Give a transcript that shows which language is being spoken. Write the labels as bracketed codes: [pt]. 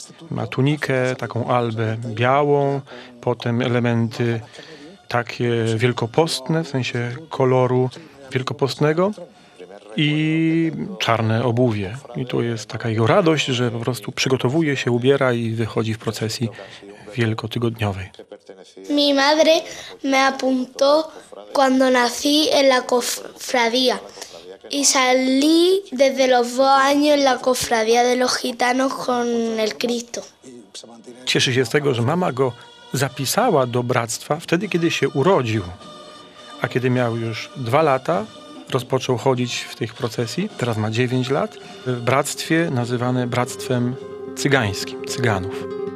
[pl] Ma tunikę, taką albę białą, potem elementy takie wielkopostne, w sensie koloru wielkopostnego i czarne obuwie. I tu jest taka jego radość, że po prostu przygotowuje się, ubiera i wychodzi w procesji wielkotygodniowej. [es] Mi madre me apuntó cuando nací en la cofradía. Y salí desde los 2 años en la cofradía de los gitanos con el Cristo. [pl] Cieszy się z tego, że mama go zapisała do bractwa wtedy, kiedy się urodził. A kiedy miał już 2 lata, rozpoczął chodzić w tych procesji, teraz ma 9 lat, w bractwie nazywane bractwem cygańskim, cyganów.